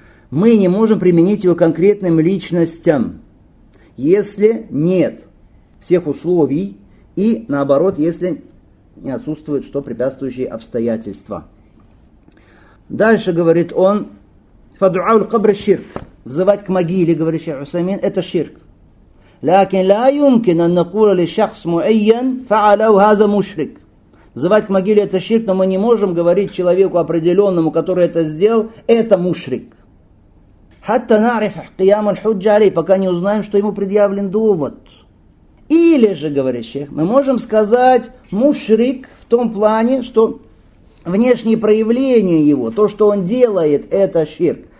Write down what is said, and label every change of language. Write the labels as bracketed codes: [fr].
[ru] Мы не можем применить его конкретным личностям, если нет всех условий и, наоборот, если не отсутствуют что препятствующие обстоятельства. Дальше, говорит он, [ar] «Фадуа аль-кабр ширк», [ru] «взывать к могиле», говорит шейх Усамин, «это ширк». [ar] لكن لا يمكن أن نقول لشخص معين فعله هذا مشرك. [ru] Звать к могиле это ширк, но мы не можем говорить человеку определенному, который это сделал, это мушрик. [ar] حتى نعرف قيام الحجة عليه, [ru] пока не узнаем, что ему предъявлен довод. Или же, говорящий, мы можем сказать мушрик в том плане, что внешние проявления его, то, что он делает, это ширк.